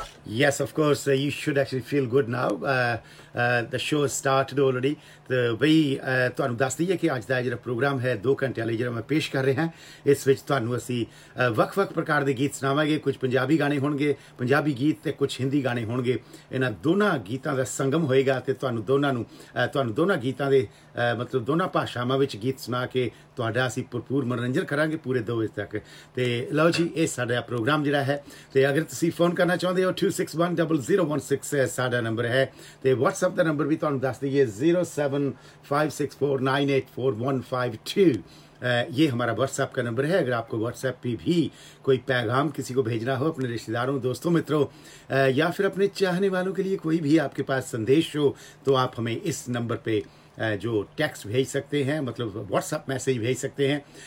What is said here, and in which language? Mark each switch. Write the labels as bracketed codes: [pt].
[en] Yes, of course, you should actually feel good now. The show has started already. The way [pa] ਤੁਹਾਨੂੰ ਦੱਸ ਦਈਏ ਕਿ ਅੱਜ ਦਾ ਜਿਹੜਾ ਪ੍ਰੋਗਰਾਮ ਹੈ 2 ਘੰਟਿਆਂ ਲਈ ਜਿਹੜਾ ਮੈਂ ਪੇਸ਼ ਕਰ ਰਿਹਾ, ਇਸ ਵਿੱਚ ਤੁਹਾਨੂੰ ਅਸੀਂ ਵੱਖ ਵੱਖ ਪ੍ਰਕਾਰ ਦੇ ਗੀਤ ਸੁਣਾਵਾਂਗੇ। ਕੁਝ ਪੰਜਾਬੀ ਗਾਣੇ ਹੋਣਗੇ, ਪੰਜਾਬੀ ਗੀਤ ਅਤੇ ਕੁਝ ਹਿੰਦੀ ਗਾਣੇ ਹੋਣਗੇ। ਇਹਨਾਂ ਦੋਨਾਂ ਗੀਤਾਂ ਦਾ ਸੰਗਮ ਹੋਏਗਾ ਅਤੇ ਤੁਹਾਨੂੰ ਦੋਨਾਂ ਗੀਤਾਂ ਦੇ ਮਤਲਬ ਦੋਨਾਂ ਭਾਸ਼ਾਵਾਂ ਵਿੱਚ ਗੀਤ ਸੁਣਾ ਕੇ ਤੁਹਾਡਾ ਅਸੀਂ ਭਰਪੂਰ ਮਨੋਰੰਜਨ ਕਰਾਂਗੇ ਪੂਰੇ 2 ਵਜੇ ਤੱਕ। ਅਤੇ ਲਓ ਜੀ, ਇਹ ਸਾਡਾ ਪ੍ਰੋਗਰਾਮ ਜਿਹੜਾ ਹੈ, ਅਤੇ ਅਗਰ ਤੁਸੀਂ ਫੋਨ ਕਰਨਾ ਚਾਹੁੰਦੇ ਹੋ 2610016 ਸਾਡਾ ਨੰਬਰ ਹੈ, ਅਤੇ ਵਟਸਐਪ ਦਾ ਨੰਬਰ ਵੀ ਤੁਹਾਨੂੰ ਦੱਸ ਦਈਏ 07564984152। [hi] ये हमारा व्हाट्सएप का नंबर है। अगर आपको व्हाट्सएप पे भी कोई पैगाम किसी को भेजना हो, अपने रिश्तेदारों, दोस्तों, मित्रों, या फिर अपने चाहने वालों के लिए कोई भी आपके पास संदेश हो, तो आप हमें इस नंबर पे जो टेक्स्ट भेज सकते हैं, मतलब व्हाट्सएप मैसेज भेज सकते हैं।